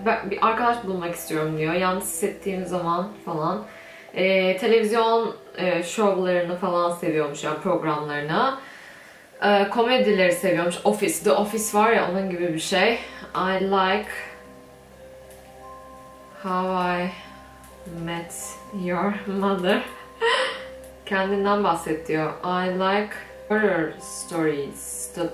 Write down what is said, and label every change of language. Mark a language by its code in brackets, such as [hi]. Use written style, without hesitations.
[tr] Bir arkadaş bulmak istiyorum diyor. Yalnız hissettiğim zaman falan. Televizyon şovlarını falan seviyormuş, yani programlarını. Komedileri seviyormuş. Office, The Office var ya, onun gibi bir şey. [en] I like How I Met Your Mother. [tr] Kendinden bahset diyor. [en] I like horror stories.